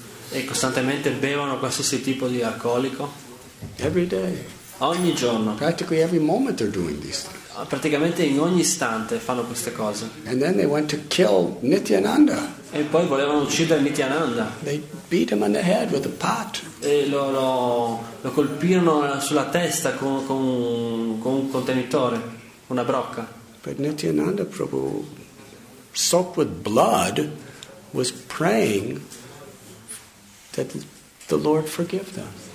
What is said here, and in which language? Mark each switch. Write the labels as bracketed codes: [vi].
[it] E costantemente bevono qualsiasi tipo di alcolico. [en] Every day. [it] Ogni giorno. [en] Practically every moment they're doing these things. [it] Praticamente in ogni istante fanno queste cose. [en] And then they went to kill Nityananda. [it] E poi volevano uccidere Nityananda. [en] They beat him on the head with a pot. [it] E lo colpirono sulla testa con un contenitore, una brocca. [en] But Nityananda Prabhu, soaked with blood, was praying that the Lord forgive them.